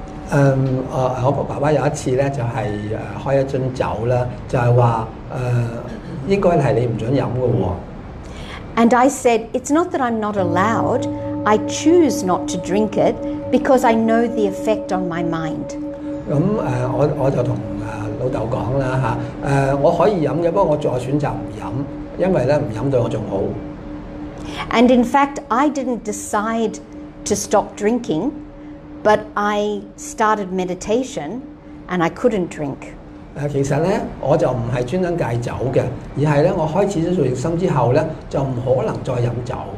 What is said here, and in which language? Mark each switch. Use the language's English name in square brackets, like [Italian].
[Cantonese] 我爸爸有一次咧就係開一樽酒啦，就係話應該係你唔准飲嘅喎。 [English] And I said, it's not that I'm not allowed, I choose not to drink it because I know the effect on my mind. [Cantonese] 咁我就同老豆講啦嚇，我可以飲嘅，不過我再選擇唔飲，因為咧唔飲對我仲好。 [English] And in fact, I didn't decide to stop drinking, but I started meditation and I couldn't drink. [Cantonese] 其實咧，我就唔係專登戒酒嘅，而係咧，我開始咗做熱心之後咧，就唔可能再飲酒。